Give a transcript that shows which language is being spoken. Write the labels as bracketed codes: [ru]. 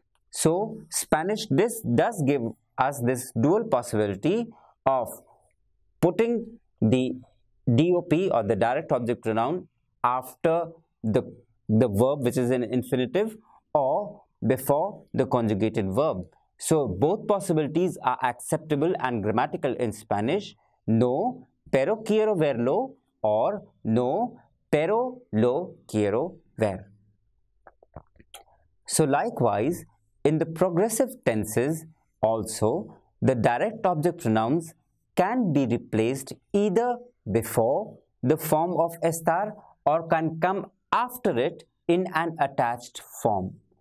[en] So, Spanish, this does give us this dual possibility of putting the DOP or the direct object pronoun after the verb which is an infinitive or before the conjugated verb. So, both possibilities are acceptable and grammatical in Spanish. [es] No, pero quiero verlo, or no, pero lo quiero ver. [en] So likewise, in the progressive tenses also, the direct object pronouns can be replaced either before the form of estar or can come after it in an attached form.